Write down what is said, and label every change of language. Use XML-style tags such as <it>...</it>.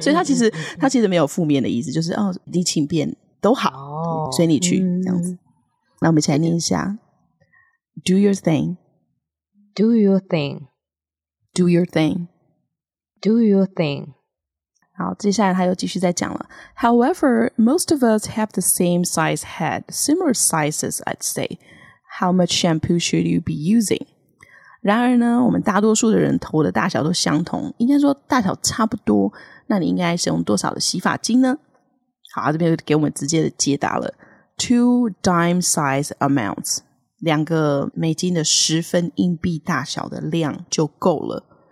<zh>所以它其实没有负面的意思，就是你请便都好，随你去这样子。那我们一起来念一下</zh> <en>do your thing。 Do your thing。 Do your thing. Do your thing.</en> <zh>好，接下来他又继续在讲了。</zh> <en>However, most of us have the same size head, similar sizes, I'd say. How much shampoo should you be using?</en> <zh>然而呢，我们大多数的人头的大小都相同，应该说大小差不多，那你应该使用多少的洗发精呢？好，这边给我们直接的解答了。</zh> <en>Two dime size amounts.</en> <zh>两个美金的十分硬币大小的量就够了。</zh>